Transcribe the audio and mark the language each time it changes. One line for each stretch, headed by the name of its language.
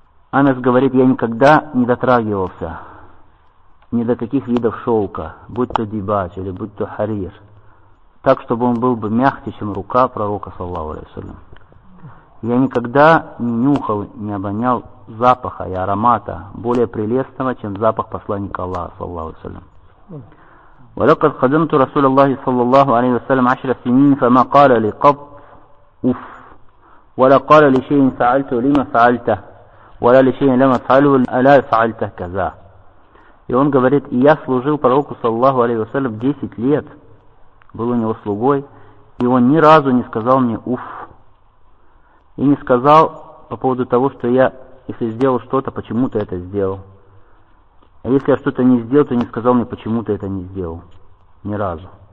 Russian: Анас говорит: «Я никогда не дотрагивался ни до каких видов шелка, будь то дибадж или будь то харир, так, чтобы он был бы мягче, чем рука пророка саллаллаху алейхи вассалям. Я никогда не нюхал, не обонял запаха и аромата более прелестного, чем запах посланника Аллаха, саллаллаху алейхи ва саллям.
Arabic: ولقد خدمت رسول الله صلى الله عليه وسلم 10 سنين فما قال لي قط اوف ولا قال لي شيء فعلته لما فعلته ولا لي شيء لما فعله الا فعلته كذا.
Russian: И он говорит, и я служил пророку саллаллаху алейхи ва саллям 10 лет, был у него слугой, и он ни разу не сказал мне уф. И не сказал по поводу того, что я, если сделал что-то, почему ты это сделал. А если я что-то не сделал, то не сказал мне, почему ты это не сделал. Ни разу.